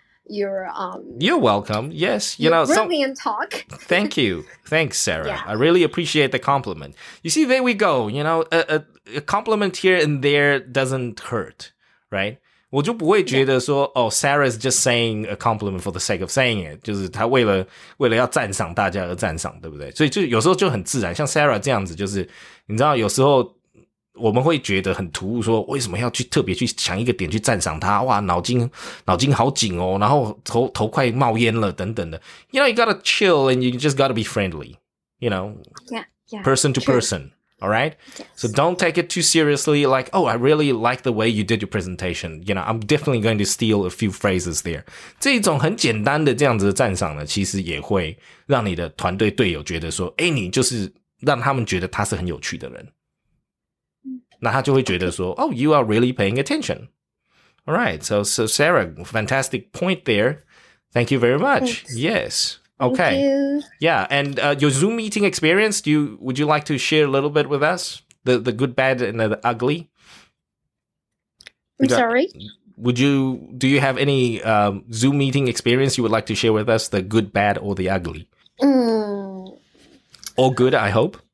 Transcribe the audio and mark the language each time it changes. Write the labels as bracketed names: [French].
[English] You're welcome. Yes. You know, brilliant talk. Thank you. Thanks, Sarah. Yeah. I really appreciate the compliment. You see, there we go. You know, a compliment here and there doesn't hurt, right? [Chinese] 我就不会觉得说、 [English] yeah. oh, Sarah is just saying a compliment for the sake of saying it. [Chinese] 就是她为了要赞赏大家而赞赏，对不对？所以就有时候就很自然，像 Sarah 这样子，就是你知道有时候我们会觉得很突兀，说为什么要去特别去想一个点去赞赏他？哇，脑筋好紧哦，然后头快冒烟了等等的。 [English] You know, you gotta chill and you just gotta be friendly. You know, yeah, person to person. All right. Yes. So don't take it too seriously. Like, oh, I really like the way you did your presentation. You know, I'm definitely going to steal a few phrases there. [Chinese] 这一种很简单的这样子的赞赏呢，其实也会让你的团队队友觉得说，哎，你就是让他们觉得他是很有趣的人。那他就会觉得说 [English] Oh, you are really paying attention. Alright, so Sarah, fantastic point there. Thank you very much. Thanks. Yes. Okay. Thank you. Yeah, and your Zoom meeting experience, would you like to share a little bit with us? The good, bad, and the ugly? Do you have any Zoom meeting experience you would like to share with us? The good, bad, or the ugly? All good, I hope.